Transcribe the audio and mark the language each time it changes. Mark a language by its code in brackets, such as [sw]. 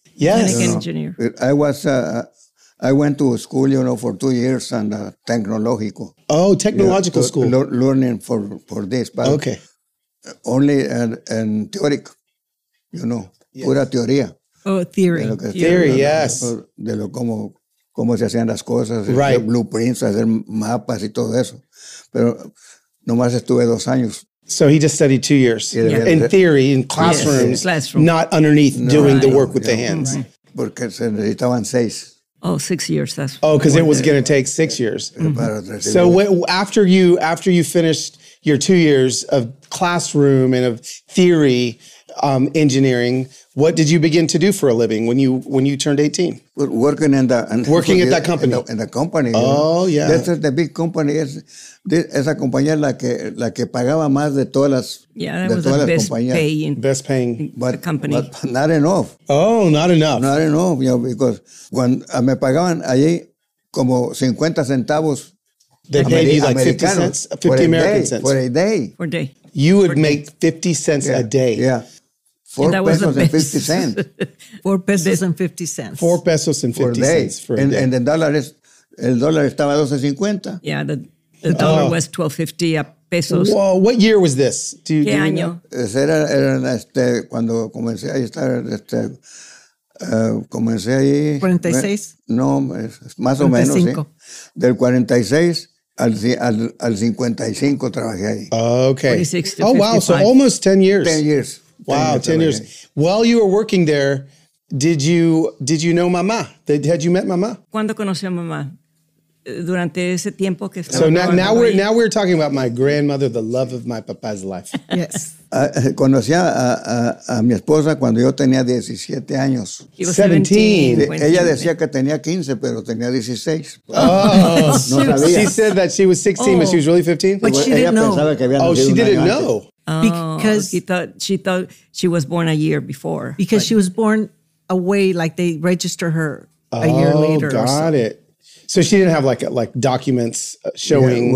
[en] Yes. Engineer. I was, I went to school, you know, for 2 years and tecnológico. Oh, technological school. Learning for this. But okay. Only and theoric, you know, yes. [es] Pura teoría. [en] Oh, theory. Theory, yes. [es] De lo cómo se hacían las cosas. [en] Right. [es] Blueprints, hacer mapas y todo eso. Pero nomás estuve 2 años. [en] So he just studied 2 years, yeah. In theory, in classrooms, yes. Classroom. Not underneath the work with the hands. [es] Porque se necesitaban seis. [en] Oh, 6 years. That's Because it was going to take 6 years. Mm-hmm. So after you finished your 2 years of classroom and of theory engineering, what did you begin to do for a living when you turned 18? Working in the working at that company. In the company. Oh, you know? Yeah. That's the big company. [es] Esa compañía es la que pagaba más de todas las compañías. [en] Best paying. But, company. But not enough. Oh, not enough. Not enough, you know, because when [es] me pagaban allí como 50 centavos. [en] They paid you like 50 cents? 50 American cents. For a day. For a day. You would make 50 cents a day. Yeah. Four pesos and 50 cents. 4 pesos and 50 cents. 4 pesos and 50 cents for a day. And the dollar is, [es] el dólar estaba 12.50. [en] Yeah, the dollar was 12.50 pesos. Well, what year was this? [es] ¿Qué año? Era cuando comencé a estar, comencé ahí. ¿46? No, más o menos, sí. Del 46 al 55 trabajé ahí. [en] Okay. 46 to 55. Oh, wow, so almost 10 years. 10 years. Wow, 10 years. While you were working there, did you know mamá? Had you met mamá? [es] ¿Cuándo conoció a mamá? Durante ese tiempo que estaba. [en] So now we're talking about my grandmother, the love of my papá's life. Yes. [es] Conocí a mi esposa cuando yo tenía 17 años. 17. Ella decía que tenía 15, pero tenía 16. Oh, no sabía. [en] She said that she was 16, but she was really 15? But she [es] ella [en] didn't know. [es] Que había oh, [en] she didn't know. Because she thought she was born a year before. Because she was born away, like they register her a year later. Oh, got it. So she didn't have like documents showing.